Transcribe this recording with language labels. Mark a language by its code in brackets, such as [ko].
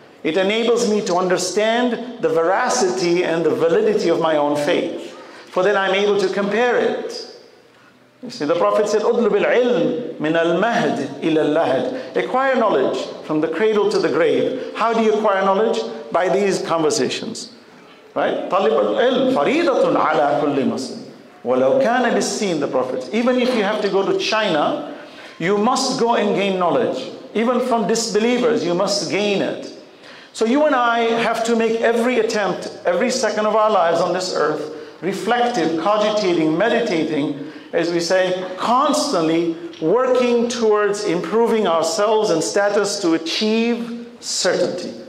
[en] It enables me to understand the veracity and the validity of my own faith. For then I'm able to compare it. You see, the Prophet said, [ar] "Udlub al-ilm min al-mahd ila al-lahd." [en] Acquire knowledge from the cradle to the grave. How do you acquire knowledge? By these conversations. Right? [ar] طالب العلم فريضة على كل مسلم ولو كان بالسين, [en] the Prophet. Even if you have to go to China, you must go and gain knowledge. Even from disbelievers, you must gain it. So you and I have to make every attempt, every second of our lives on this earth, reflective, cogitating, meditating, as we say, constantly working towards improving ourselves and status to achieve certainty.